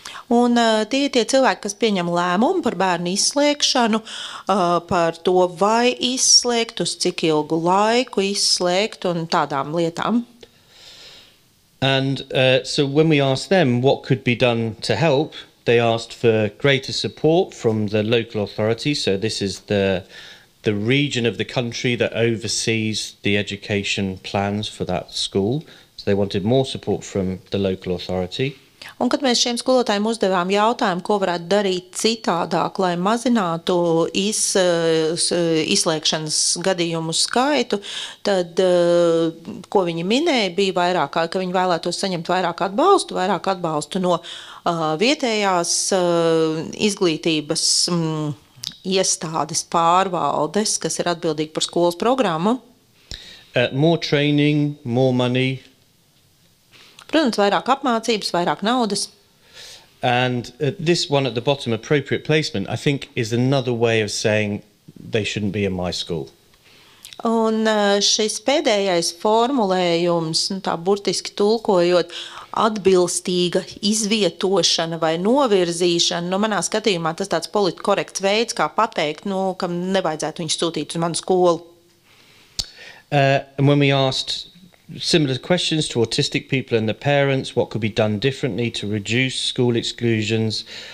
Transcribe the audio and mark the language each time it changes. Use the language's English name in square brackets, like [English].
[Latvian] Un tie cilvēki, kas pieņem lēmumu par bērnu izslēgšanu, par to, vai izslēgt, uz cik ilgu laiku izslēgt un tādām lietām. [English] And so when we asked them what could be done to help, they asked for greater support from the local authority, so this is the region of the country that oversees the education plans for that school. So they wanted more support from the local authority. [Latvian] Un kad mēs šiem skolotājiem uzdevām jautājumu, ko varētu darīt citādāk, lai mazinātu izslēgšanas gadījumu skaitu, tad, ko viņi minēja, bija vairāk, ka viņi vēlētos saņemt vairāk atbalstu no vietējās izglītības iestādes pārvaldes, kas ir atbildīgi par skolas programmu. [English] More training, more money. [Latvian] Protams, vairāk apmācības, vairāk naudas. [English] And this one at the bottom, appropriate placement, I think is another way of saying they shouldn't be in my school. [Latvian] Un šis pēdējais formulējums, tā burtiski tulkojot, atbilstīga izvietošana vai novirzīšana, nu manā skatījumā tas tāds politkorekts veids, kā pateikt, nu, kam nevajadzētu viņu sūtīt uz manu skolu. [English] And when we asked similar questions to autistic people and the parents, what could be done differently to reduce school exclusions?